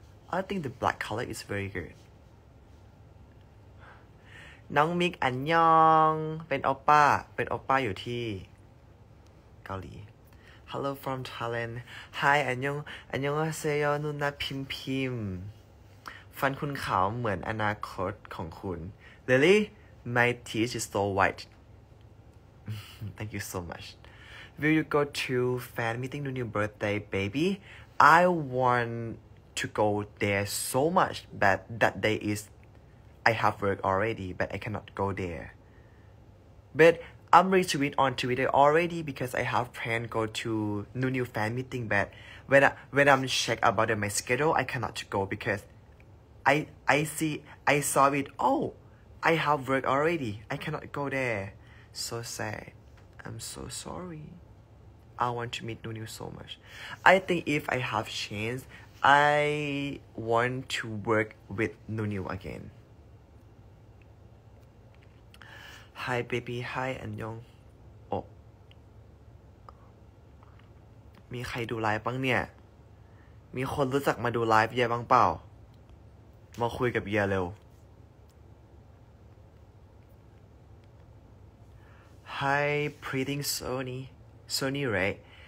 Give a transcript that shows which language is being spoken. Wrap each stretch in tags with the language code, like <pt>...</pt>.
<en>I think the black color is very good.</en> <th>น้องมิกอันยองเป็นโอป้าอยู่ที่เกาหลี</th> <en>Hello from Thailand Hi</en> <th>อันยองอันยองเซยอนุนนะพิมฟันคุณขาวเหมือนอนาคตของคุณ</th> <en>Lily my teeth is so white Thank you so much Will you go to fan meeting on your birthday baby I want to go there so much but that day isI have work already, but I cannot go there. But I'm retweet on Twitter already because I have plan go to new fan meeting. But when I'm check about my schedule, I cannot go because I saw it. Oh, I have work already. I cannot go there. So sad. I'm so sorry. I want to meet new so much. I think if I have chance, I want to work with new again. Hi baby, hi Anyong.</en> <th>Oh, มีใครดูไลฟ์บ้างเนี่ยมีคนรู้จักมาดูไลฟ์เยอะบ้างเปล่ามาคุยกับเยอะเร็ว</th> <en>Hi, pretty Sony, right?</en>